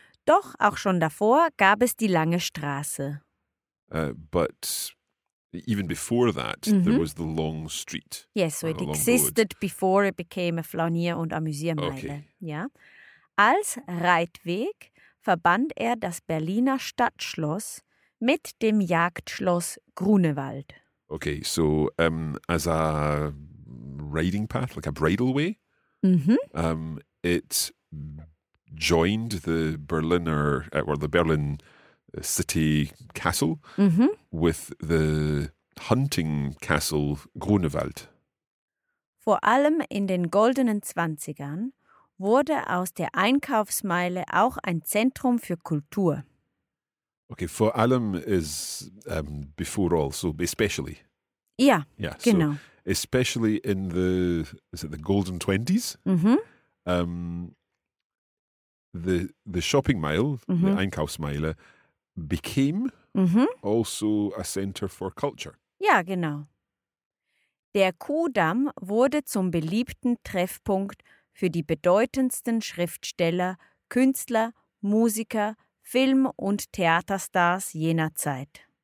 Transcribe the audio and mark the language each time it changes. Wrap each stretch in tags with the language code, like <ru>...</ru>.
<de>Doch auch schon davor gab es die lange Straße.</de> <en>But even before that, mm-hmm. there was the long street. Yes, so it existed road. Before it became a</en> <de>Flanier- und Amüsiermeile.</de> <en>Okay. Yeah.</en> <de>Als Reitweg verband das Berliner Stadtschloss mit dem Jagdschloss Grunewald.</de> <en>Okay, so as a riding path, like a bridleway, mm-hmm. It joined the Berliner, or the Berlin city castle mm-hmm. with the hunting castle Grunewald.</en> <de>Vor allem in den goldenen Zwanzigern wurde aus der Einkaufsmeile auch ein Zentrum für Kultur.</de> <en>Okay,</en> <de>vor allem</de> <en>is before all, so especially. Yeah, yeah, genau. So especially in the, is it the golden 20s? Mm-hmm. The shopping mile, mm-hmm. the Einkaufsmeile, became mm-hmm. also a center for culture. Yeah, genau.</en> <de>Der Kuhdamm wurde zum beliebten Treffpunkt für die bedeutendsten Schriftsteller, Künstler, Musiker, Film- und Theaterstars jener Zeit.</de>